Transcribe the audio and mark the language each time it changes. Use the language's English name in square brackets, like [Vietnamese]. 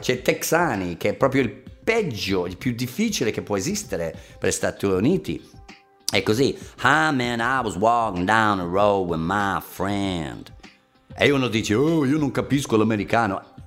[Italian] Cioè, texani, che è proprio il peggio, il più difficile che può esistere per gli Stati Uniti. È così. [English] Hi, man, I was walking down the road with my friend. [Italian] E uno dice, oh, io non capisco l'americano.